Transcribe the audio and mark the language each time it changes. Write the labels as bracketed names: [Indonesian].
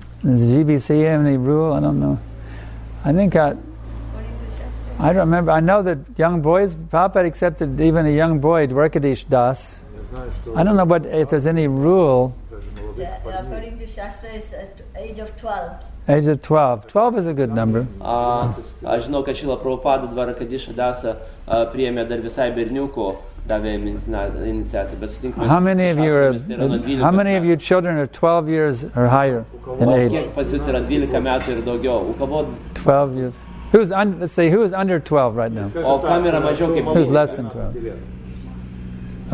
[English] Does GBC have any rule? I don't know. I think I don't remember. I know that young boys, Prabhupada accepted even a young boy, Dwarkadish Das. I don't know if there's any rule according to Shastra, is at age of 12. Age of 12. 12 is a good number. [Lithuanian] Aš žinau, kad Šila Prabhupada Dvarakadiša Dasa priėmė dar visai berniukų. [English] How many of you children are 12 years or higher in age? 12 years. Who's under 12 right now? Who's less than 12?